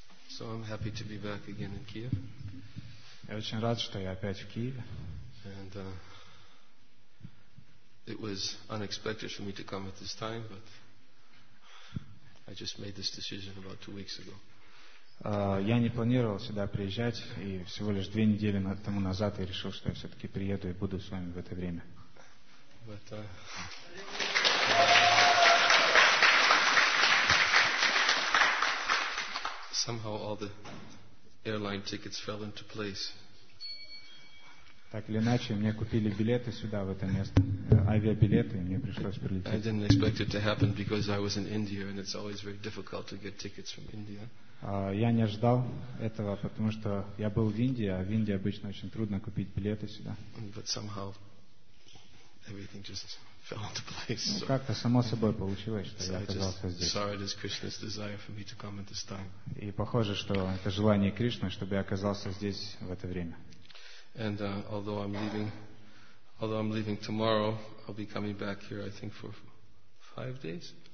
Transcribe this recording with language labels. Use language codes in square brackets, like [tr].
[en] So I'm happy to be back again in Kiev. [ru] Я очень рад, что я опять в Киеве. [en] And it was unexpected for me to come at this time, but I just made this decision about 2 weeks ago. [ru] Я не планировал сюда приезжать, и всего лишь 2 недели тому назад я решил, что я все-таки приеду и буду с вами в это время. [en] But, somehow all the airline tickets fell into place. [ru] Так или иначе, мне купили билеты сюда, в это место, авиабилеты, и мне пришлось прилететь. [en] I didn't expect it to happen because I was in India, and it's always very difficult to get tickets from India. [ru] Я не ожидал этого, потому что я был в Индии, а в Индии обычно очень трудно купить билеты сюда. [en] But somehow everything just fell into place. [ru] Ну, как-то само собой получилось, что я оказался здесь. [en] Sorry, it is Krishna's desire for me to come at this time. [ru] И похоже, что это желание Кришны, чтобы я оказался здесь в это время. [en] And although I'm leaving tomorrow, I'll be coming back here, I think, for 5 days.